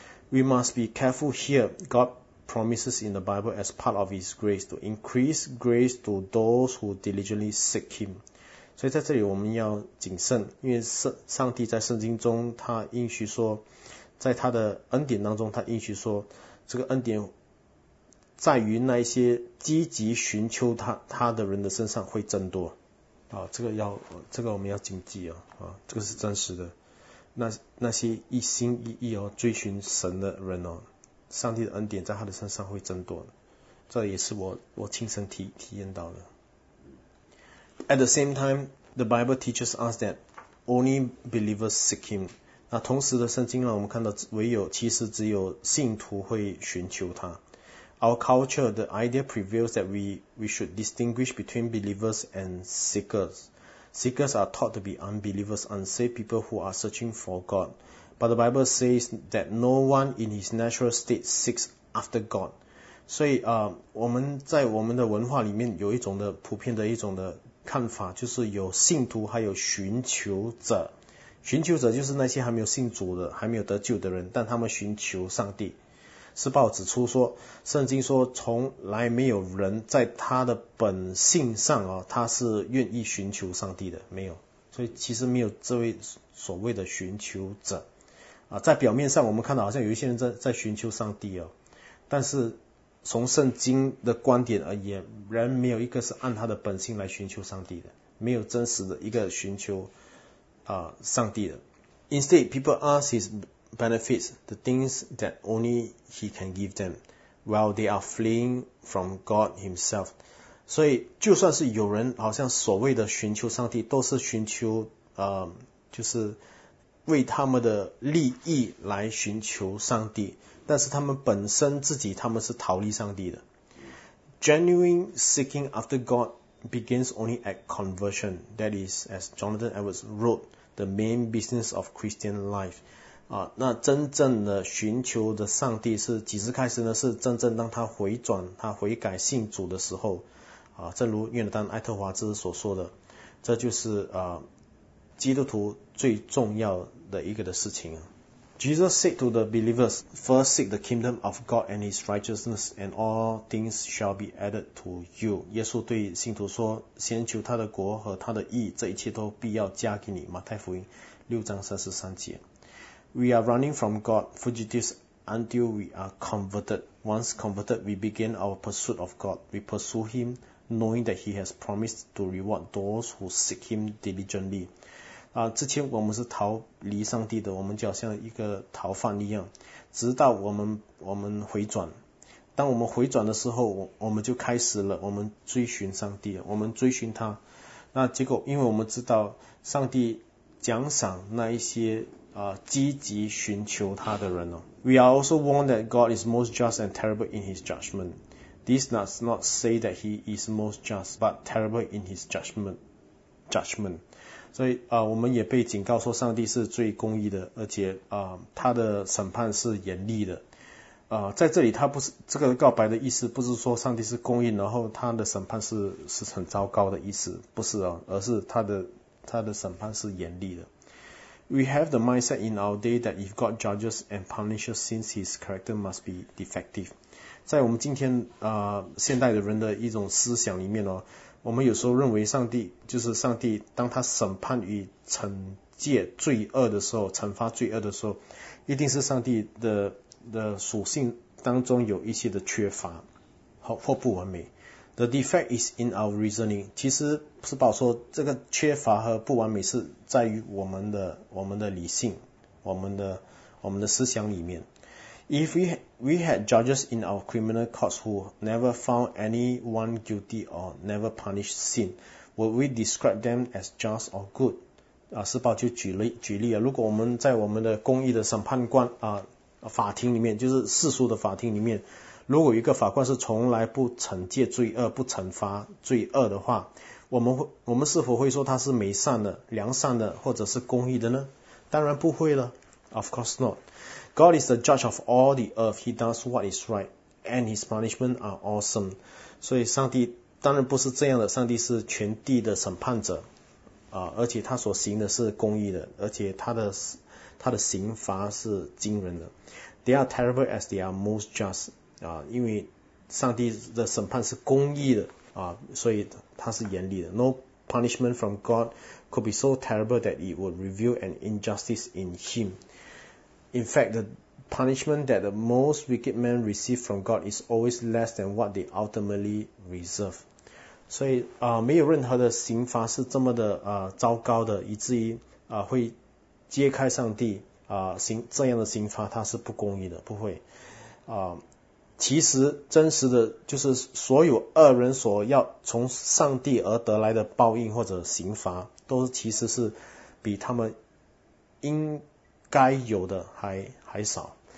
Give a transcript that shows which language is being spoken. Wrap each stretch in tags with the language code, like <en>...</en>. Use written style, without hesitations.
<en>We must be careful here. God promises in the Bible as part of His grace to increase grace to those who diligently seek Him.</en> <zh>所以在这里我们要谨慎，因为上帝在圣经中他应许说，在他的恩典当中他应许说，这个恩典在于那些积极寻求 他的人的身上会增多、这个我们要谨记、这个是真实的。那些一心一意、追寻神的人、上帝的恩典在他的身上会增多，这也是 我亲身 体验到的。</zh> <en>At the same time, the Bible teaches us that only believers seek Him.</en> <zh>那同时的圣经让我们看到只有信徒会寻求他。</zh> <en>Our culture, the idea prevails that we should distinguish between believers and seekers. Seekers are taught to be unbelievers, unsaved people who are searching for God. But the Bible says that no one in his natural state seeks after God.</en> <zh>所以、我们在我们的文化里面有一种的普遍的一种的看法，就是有信徒还有寻求者。寻求者就是那些还没有信主的还没有得救的人，但他们寻求上帝。施暴指出说，圣经说从来没有人在他的本性上、他是愿意寻求上帝的，没有。所以其实没有这位所谓的寻求者、在表面上我们看到好像有一些人 在寻求上帝、但是从圣经的观点而言，人没有一个是按他的本性来寻求上帝的，没有真实的一个寻求、上帝的。</zh> <en>Instead, people ask his benefits, the things that only he can give them, while they are fleeing from God himself.</en> <zh>所以就算是有人好像所谓的寻求上帝，都是寻求、就是为他们的利益来寻求上帝，但是他们本身自己他们是逃离上帝的。</zh> <en>Genuine seeking after God begins only at conversion. That is, as Jonathan Edwards wrote, the main business of Christian life.、</en> <zh>那真正的寻求的上帝是几时开始呢？是真正当他回转他悔改信主的时候、正如约翰丹艾特华兹所说的，这就是、基督徒最重要的一个的事情。</zh> <en>Jesus said to the believers, First seek the kingdom of God and His righteousness, and all things shall be added to you.</en> <zh>耶稣对信徒说，先求他的国和他的义，这一切都必要加给你。马太福音6:33。</zh> <en>We are running from God, fugitives, until we are converted. Once converted, we begin our pursuit of God. We pursue Him, knowing that He has promised to reward those who seek Him diligently.</en> <zh>之前我们是逃离上帝的，我们就好像一个逃犯一样，直到我们回转。当我们回转的时候，我们就开始了我们追寻上帝，我们追寻他。那结果因为我们知道上帝奖赏那一些、积极寻求他的人、</zh> <en>We are also warned that God is most just and terrible in His judgment. This does not say that He is most just, but terrible in His judgment.</en> <zh>所以、我们也被警告说上帝是最公义的，而且、他的审判是严厉的、在这里他不是这个告白的意思，不是说上帝是公义然后他的审判 是很糟糕的意思，不是、而是他的审判是严厉的。</zh> <en>We have the mindset in our day that if God judges and punishes sins, His character must be defective.</en> <zh>在我们今天、现代的人的一种思想里面哦，我们有时候认为上帝就是上帝，当他审判与惩戒罪恶的时候，惩罚罪恶的时候，一定是上帝 的属性当中有一些的缺乏或不完美。</zh> <en>The defect is in our reasoning.</en> <zh>其实是保说这个缺乏和不完美是在于我们的理性，我们的思想里面。</zh> <en>If we had judges in our criminal courts who never found anyone guilty or never punished sin, would we describe them as just or good?</en> <zh>啊，施宝就举例啊，如果我们在我们的公义的审判官啊法庭里面，就是世俗的法庭里面，如果一个法官是从来不惩戒罪恶、不惩罚罪恶的话，我们是否会说他是美善的、良善的，或者是公义的呢？当然不会了 ，</zh> <en>Of course not. God is the judge of all the earth. He does what is right, and his punishments are awesome.</en> <zh>所以上帝当然不是这样的，上帝是全地的审判者，啊，而且他所行的是公义的，而且他的刑罚是惊人的。</zh> <en>They are terrible as they are most just.</en> <zh>啊，因为上帝的审判是公义的啊，所以他是严厉的。</zh> <en>No punishment from God could be so terrible that it would reveal an injustice in Him. In fact, the punishment that the most wicked men receive from God is always less than what they ultimately deserve.</en> <zh>所以啊，没有任何的刑罚是这么的啊糟糕的，以至于啊会揭开上帝啊刑这样的刑罚，他是不公义的，不会啊。其实真实的就是所有恶人所要从上帝而得来的报应或者刑罚，都其实是比他们应该有的还少。</zh>